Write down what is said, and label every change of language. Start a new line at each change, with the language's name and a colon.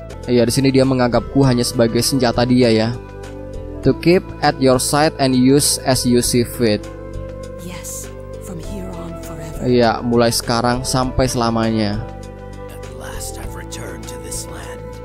Indonesian: Iya, di sini dia menganggapku hanya sebagai senjata dia ya.
English: To keep at your side and use as you see fit. Yes, from here on forever.
Indonesian: Iya, mulai sekarang sampai selamanya.
English: At last I've returned to this land.